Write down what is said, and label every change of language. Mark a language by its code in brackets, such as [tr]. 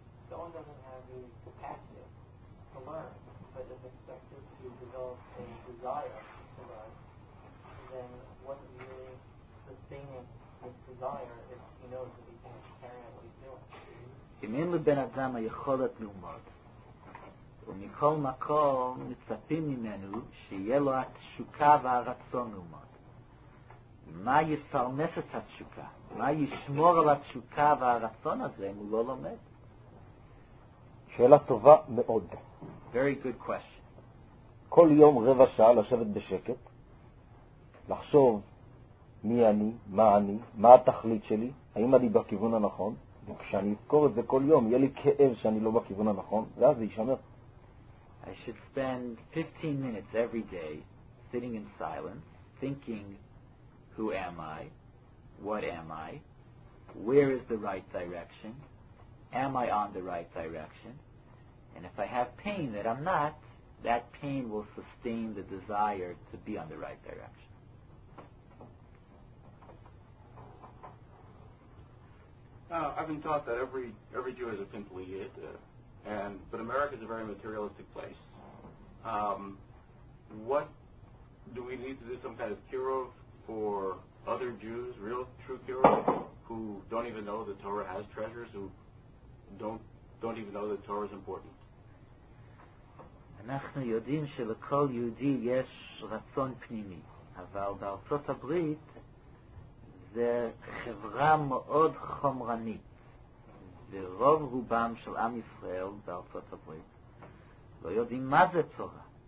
[en] Someone doesn't have the capacity to learn, but just expect him to develop a desire to learn, then what is really sustaining this desire if he knows that he can't carry on what he's doing? Imin leben adam ha'yecholat l'umot. [he] ומכל מקום מצפים ממנו שיהיה לו התשוקה והרצון ללמוד. מה יפרנס את התשוקה? מה ישמור על התשוקה והרצון הזה אם הוא לא לומד? שאלה טובה מאוד. [en] Very good question. [he] כל יום רבע שעה לשבת בשקט, לחשוב מי אני, מה אני, מה התכלית שלי, האם אני בכיוון הנכון, וכשאני אזכור את זה כל יום, יהיה לי כאב שאני לא בכיוון הנכון, ואז זה ישמר. [en] I should spend 15 minutes every day sitting in silence, thinking, who am I? What am I? Where is the right direction? Am I on the right direction? And if I have pain that I'm not, that pain will sustain the desire to be on the right direction. Now, I've been taught that every Jew is a pimply yid, but America is a very materialistic place. What do we need to do, some kind of kirov for other Jews, real true kirov, who don't even know the Torah has treasures, who don't even know the Torah is important? [he] אנחנו יודעים שלכל יהודי יש רצון פנימי, אבל בארצות הברית זה חברה מאוד חומרנית, ורוב רובם של עם ישראל בארצות הברית לא יודעים מה זה תורה.